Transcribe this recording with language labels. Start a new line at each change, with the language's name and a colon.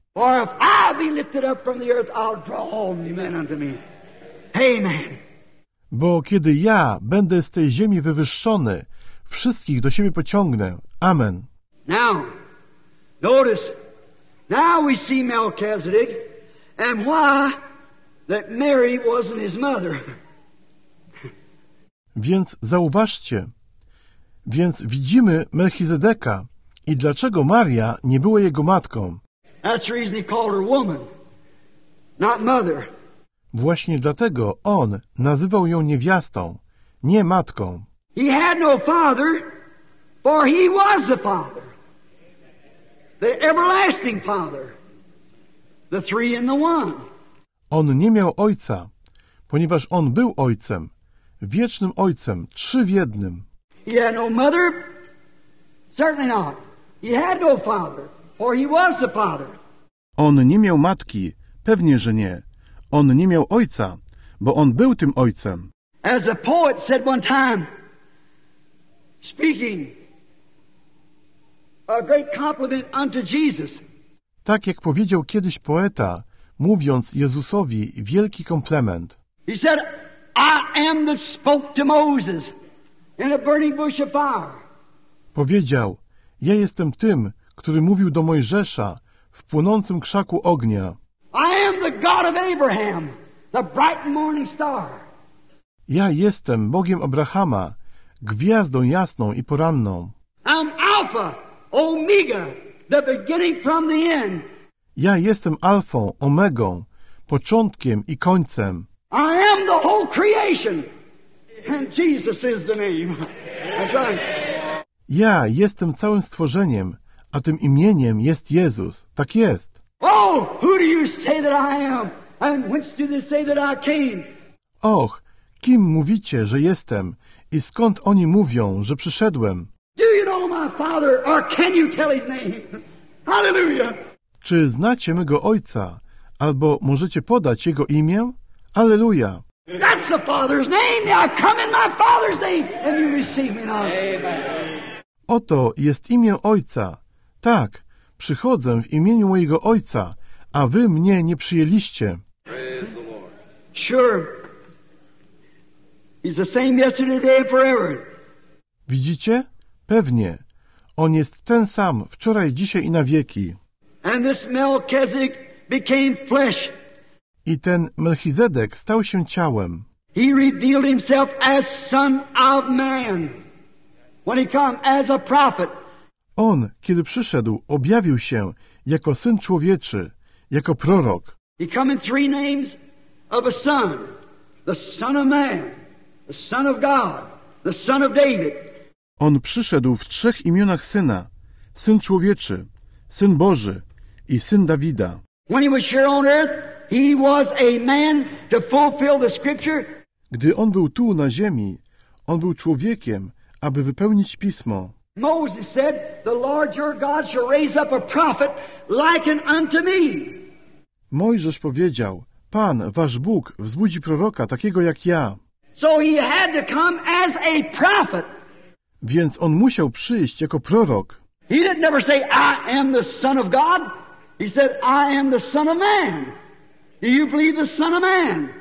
English: For if I be lifted up from the earth, I'll draw all men unto me. Amen.
Polish: Bo kiedy ja będę z tej ziemi wywyższony, wszystkich do siebie pociągnę. Amen.
English: Now, notice, now we see Melchizedek and why that Mary wasn't his mother.
Polish: Więc zauważcie, więc widzimy Melchizedeka i dlaczego Maria nie była jego matką.
English: That's the reason he called her woman, not mother.
Polish: Właśnie dlatego on nazywał ją niewiastą, nie matką.
English: He had no father, for he was the father. The everlasting father. The three in the one.
Polish: On nie miał ojca, ponieważ on był ojcem, wiecznym ojcem, trzy w jednym.
English: He had no mother? Certainly not. He had no father, for he was the father.
Polish: On nie miał matki, pewnie, że nie. On nie miał ojca, bo on był tym ojcem.
English: As a poet said one time, speaking a great compliment unto Jesus.
Polish: Tak jak powiedział kiedyś poeta, mówiąc Jezusowi wielki komplement.
English: He said, I am the spoke to Moses. In a burning bush of fire.
Polish: Powiedział, ja jestem tym, który mówił do Mojżesza w płonącym krzaku ognia.
English: I am the God of Abraham, the bright morning star.
Polish: Ja jestem Bogiem Abrahama, gwiazdą jasną i poranną.
English: I'm Alpha, Omega, the beginning from the end.
Polish: Ja jestem Alfą, Omegą, początkiem i końcem.
English: I am the whole creation. And Jesus is the name. That's right.
Polish: Ja jestem całym stworzeniem, a tym imieniem jest Jezus. Tak jest.
English: Oh, who do you say that I am? And whence do they say that I came?
Polish: Och, kim mówicie, że jestem? I skąd oni mówią, że przyszedłem?
English: Do you know my father, or can you tell his name? Hallelujah.
Polish: Czy znacie mego ojca, albo możecie podać jego imię? Alleluja.
English: That's the Father's name. Now come in my Father's name and you receive me now. Amen.
Polish: Oto jest imię Ojca. Tak, przychodzę w imieniu mojego Ojca, a wy mnie nie przyjęliście.
English: Sure. He's the same yesterday, today, forever.
Polish: Widzicie? Pewnie. On jest ten sam wczoraj, dzisiaj i na wieki.
English: And this Melchizedek became flesh.
Polish: I ten Melchizedek stał się ciałem.
English: He revealed himself as son of man. When he came as a prophet.
Polish: On, kiedy przyszedł, objawił się jako syn człowieczy, jako prorok.
English: He came in three names of a son. The son of man, the son of God, the son of David.
Polish: On przyszedł w trzech imionach syna: syn człowieczy, syn Boży i syn Dawida.
English: When he was here on earth, he was a man to fulfill the scripture.
Polish: Gdy on był tu na ziemi, on był człowiekiem, aby wypełnić pismo.
English: Moses said, "The Lord your God shall raise up a prophet like unto me."
Polish: Mojżesz powiedział: Pan, wasz Bóg, wzbudzi proroka takiego jak ja.
English: So he had to come as a prophet.
Polish: Więc on musiał przyjść jako prorok.
English: He didn't ever say, "I am the son of God." He said, "I am the son of man." Do you believe the son of man?